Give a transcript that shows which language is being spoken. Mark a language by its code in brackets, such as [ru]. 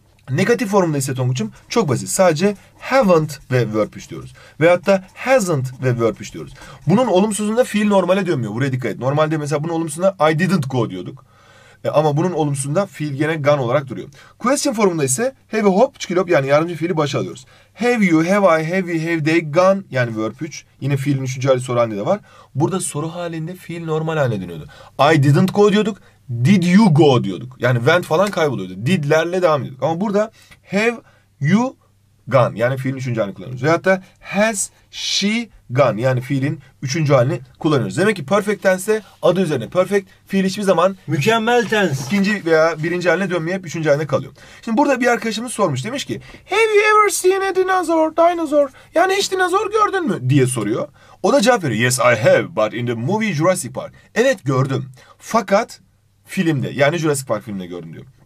[tr] Negatif formunda ise Tonguç'um çok basit. Sadece haven't ve verb üç diyoruz. Veyahut da hasn't ve verb üç diyoruz. Bunun olumsuzunda fiil normale dönmüyor. Buraya dikkat et. Normalde mesela bunun olumsuzunda [en] I didn't go [tr] diyorduk. Ama bunun olumsuzunda fiil gene gone olarak duruyor. Question formunda ise have a hop çıkıyor hop, yani yardımcı fiili başa alıyoruz. [en] Have you, have I, have we, have they gone, yani verb üç. [tr] Yine fiilin üçüncü hali soru halinde de var. Burada soru halinde fiil normal haline dönüyordu. [en] I didn't go [tr] diyorduk. [en] Did you go [tr] diyorduk. Yani went falan kayboluyordu. Did'lerle devam ediyorduk. Ama burada [en] have you gone, [tr] yani fiilin üçüncü halini kullanıyoruz. Veyahut da [en] has she gone, [tr] yani fiilin üçüncü halini kullanıyoruz. Demek ki perfect tense adı üzerine. Perfect fiil hiçbir zaman mükemmel tense ikinci veya birinci haline dönmeyip üçüncü haline kalıyor. Şimdi burada bir arkadaşımız sormuş. Demiş ki [en] have you ever seen a dinosaur? [tr] Dinosaur. Yani hiç dinozor gördün mü? Diye soruyor. O da cevap veriyor. [en] Yes I have, but in the movie Jurassic Park. [tr] Evet gördüm. Fakat filmde, yani Jurassic Park filminde gördüm diyor.